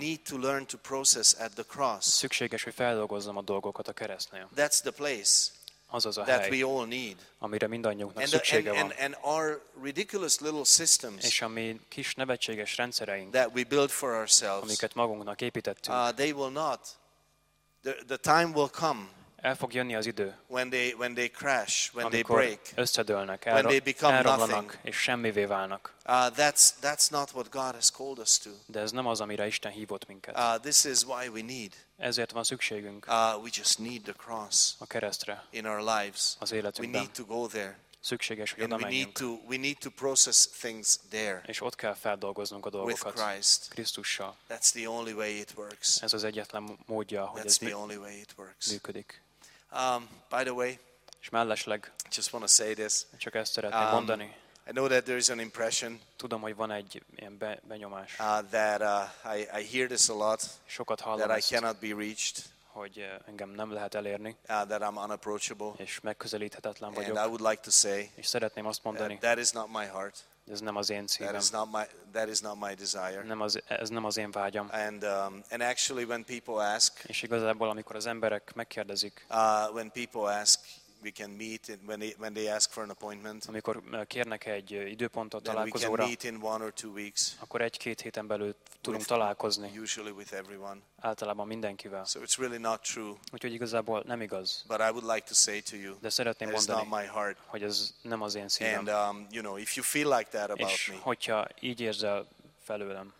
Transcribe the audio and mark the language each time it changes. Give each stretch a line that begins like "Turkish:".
English: I need to learn to process at the cross.
Hungarian: Szükséges, hogy feldolgozzam a dolgokat a keresztnél.
English: That's the place.
Hungarian: Az az a
English: that
Hungarian: hely,
English: we all need.
Hungarian: Amire mindannyiunknak szüksége van.
English: And our ridiculous little systems.
Hungarian: És a mi kis nevetséges rendszereink.
English: That we build for ourselves.
Hungarian: Amiket magunknak építettünk.
English: They will not. The time will come.
Hungarian: El fog jönni az idő.
English: When they crash, when they break.
Hungarian: Összedőlnek,
English: when they become nothing.
Hungarian: És semmivé válnak.
English: That's not what God has called us to.
Hungarian: De ez nem az, amire Isten hívott minket.
English: This is why we need.
Hungarian: Ezért van szükségünk.
English: We just need the cross.
Hungarian: A keresztre.
English: In our lives.
Hungarian: Az életünkben.
English: We need to go there.
Hungarian: Szükséges, hogy oda menjünk.
English: We need to process things there.
Hungarian: És ott kell feldolgoznunk a dolgokat.
English: With Christ.
Hungarian: Krisztussal.
English: That's the only way it works.
Hungarian: Ez az egyetlen módja, hogy
English: that's
Hungarian: ez
English: the only way it works.
Hungarian: Működik.
English: By the way,
Hungarian: és mellesleg,
English: just want to say this.
Hungarian: Csak ezt szeretném mondani.
English: I know that there is an impression.
Hungarian: Tudom, hogy van egy ilyen benyomás.
English: That I hear this a lot.
Hungarian: Sokat hallom.
English: That I cannot be reached.
Hungarian: Hogy engem nem lehet elérni.
English: That I'm unapproachable.
Hungarian: És megközelíthetetlen vagyok.
English: And I would like to say.
Hungarian: És szeretném azt mondani.
English: That is not my heart.
Hungarian: Ez nem az én szívem.
English: That is not my desire.
Hungarian: Nem az, ez nem az én vágyam.
English: And actually when people ask,
Hungarian: és igazából amikor az emberek megkérdezik,
English: when people ask, we can meet when they ask for an appointment.
Hungarian: Amikor kérnek egy időpontot találkozóra,
English: we can meet in one or two weeks.
Hungarian: Akkor egy-két héten belül tudunk találkozni.
English: Usually with everyone.
Hungarian: Általában mindenkivel.
English: So it's really not true.
Hungarian: Úgyhogy igazából nem igaz.
English: But I would like to say to you,
Hungarian: de szeretném
English: that
Hungarian: mondani,
English: is not my heart.
Hungarian: Hogy ez nem az én szívem.
English: And you know, if you feel like that about me,
Hungarian: és hogyha így érzel felőlem,